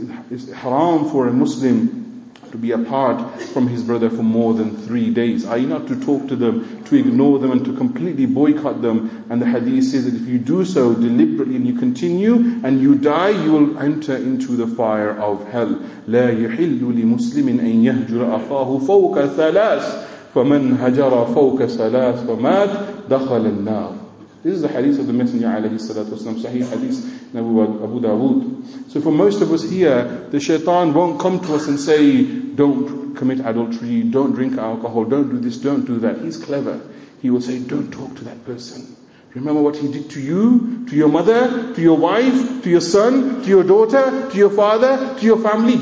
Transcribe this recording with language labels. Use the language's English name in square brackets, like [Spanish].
[English] It's haram for a Muslim to be apart from his brother for more than 3 days. I.e. not to talk to them, to ignore them, and to completely boycott them. And the hadith says that if you do so deliberately and you continue and you die, you will enter into the fire of hell. [Arabic] لا يحل لمسلم أن يهجر أخاه فوق ثلاث فمن هجر فوق ثلاث فمات دخل النار. [English] This is the hadith of the Messenger alayhi salatu wasalam, Sahih hadith, Abu Dawood. So for most of us here, the shaitan won't come to us and say, don't commit adultery, don't drink alcohol, don't do this, don't do that. He's clever. He will say, don't talk to that person. Remember what he did to you, to your mother, to your wife, to your son, to your daughter, to your father, to your family.